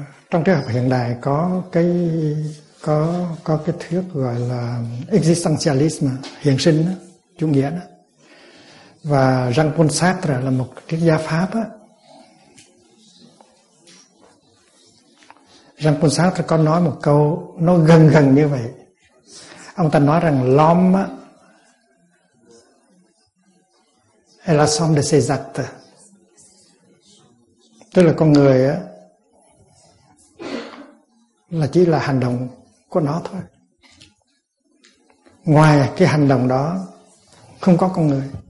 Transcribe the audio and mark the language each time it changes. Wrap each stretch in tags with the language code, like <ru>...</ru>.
<vi>Trong cái học hiện đại có cái thuyết gọi là existentialism, hiện sinh đó, chủ nghĩa đó. Và Jean-Paul Sartre là một triết gia Pháp á. Jean-Paul Sartre có nói một câu nó gần như vậy. Ông ta nói rằng</vi> <fr>l'homme est la somme de ses actes.</fr> <vi>Tức là con người á là chỉ là hành động của nó thôi. Ngoài cái hành động đó không có con người.</vi>